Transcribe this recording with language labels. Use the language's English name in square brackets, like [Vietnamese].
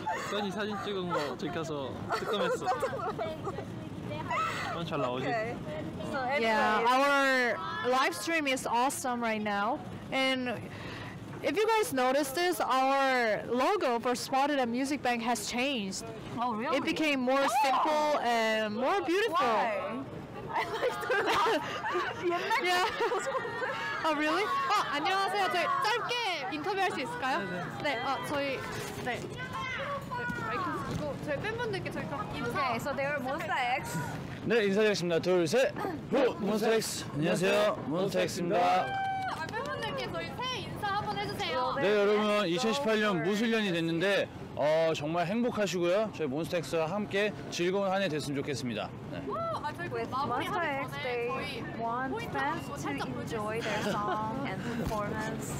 [Korean] 써니 사진 찍은 거 찍혀서 뜨끔했어. 난 잘 나오지. [English] Yeah, our live stream is awesome right now. And if you guys noticed this, our logo for Spotted at Music Bank has changed. Oh, really? It became more simple and more beautiful. Why? I like that. Yeah. Oh, really? Oh, [Korean] 안녕하세요. 저희 짧게 인터뷰할 수 있을까요? 네. 네. 저희 네. 마이크 이거 저희 팬분들께 저희 감사. [English] Okay, so they are MONSTA X. [Korean] 네, 인사드리겠습니다. 둘, 셋. 후, MONSTA X. 안녕하세요. MONSTA X입니다. 팬분들께 저희 새해 인사 한번 해주세요. 네, 여러분. 2018년 무술년이 됐는데 정말 행복하시고요. 저희 MONSTA X와 함께 즐거운 한해 됐으면 좋겠습니다. 네. [English] With MONSTA X, they want fans to enjoy their song and performance.